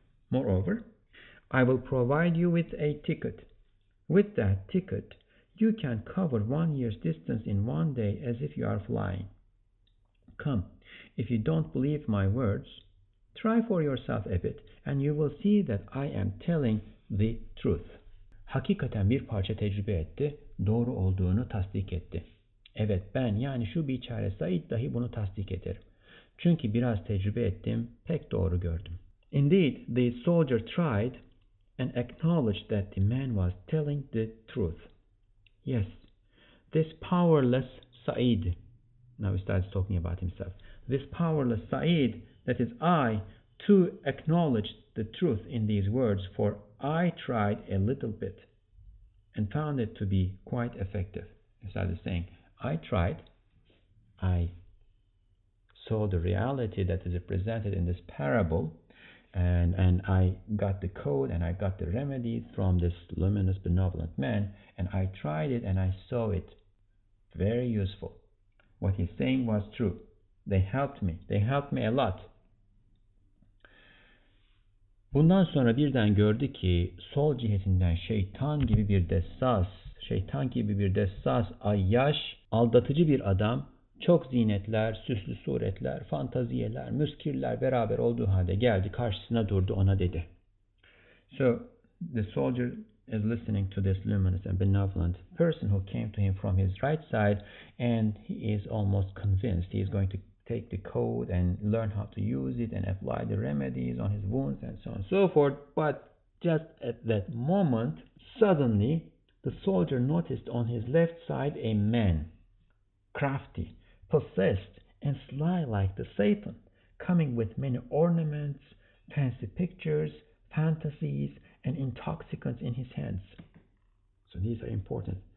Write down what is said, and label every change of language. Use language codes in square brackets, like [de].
[en] Moreover, I will provide you with a ticket. With that ticket, you can cover 1 year's distance in 1 day as if you are flying. Come, if you don't believe my words, try for yourself a bit and you will see that I am telling the truth. [tr] Hakikaten bir parça tecrübe etti, doğru olduğunu tasdik etti. Evet, ben yani şu biçare Said dahi bunu tasdik eder. Çünkü biraz tecrübe ettim, pek doğru gördüm. [en] Indeed, the soldier tried and acknowledged that the man was telling the truth. Yes, this powerless Said. Now he starts talking about himself. This powerless Said, that is I, too acknowledged the truth in these words, for I tried a little bit and found it to be quite effective. He started saying, I tried, I saw the reality that is represented in this parable, and I got the code and I got the remedy from this luminous, benevolent man, and I tried it and I saw it very useful. What he's saying was true. They helped me. They helped me a lot. [tr] Bundan sonra birden gördü ki sol cihetinden şeytan gibi bir dessas, şeytan gibi bir dessas, ayyaş, aldatıcı bir adam, çok ziynetler, süslü suretler, fantaziyeler, müskirler beraber olduğu halde geldi, karşısına durdu, ona dedi. [en] So the soldier is listening to this luminous and benevolent person who came to him from his right side, and he is almost convinced he is going to take the code and learn how to use it and apply the remedies on his wounds and so on and so forth. But just at that moment, suddenly, the soldier noticed on his left side a man, crafty, possessed, and sly like the Satan, coming with many ornaments, fancy pictures, fantasies, and intoxicants in his hands. So these are important.